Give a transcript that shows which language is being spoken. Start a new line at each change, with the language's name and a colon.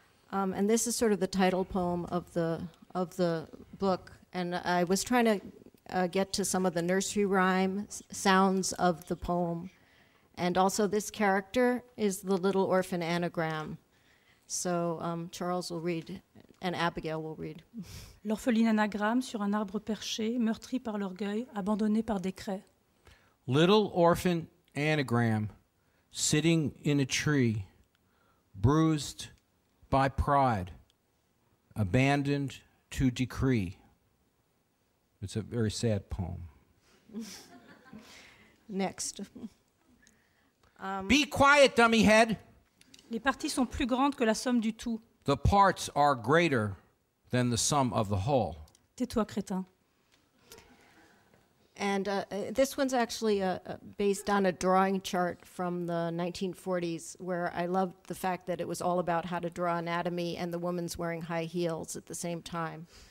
English: And this is sort of the title poem of the book. And I was trying to get to some of the nursery rhyme sounds of the poem. And also this character is the Little Orphan Anagram. So Charles will read, and Abigail will read.
French: L'orpheline anagramme sur un arbre perché, meurtri par l'orgueil, abandonné par décret.
English: Little Orphan Anagram, sitting in a tree, bruised... by pride, abandoned to decree. It's a very sad poem. Next. Be quiet, dummy head.
French: Les parties sont plus grandes que la somme du tout.
English: The parts are greater than the sum of the whole.
French: Tais-toi, crétin.
English: And this one's actually based on a drawing chart from the 1940s, where I loved the fact that it was all about how to draw anatomy and the woman's wearing high heels at the same time.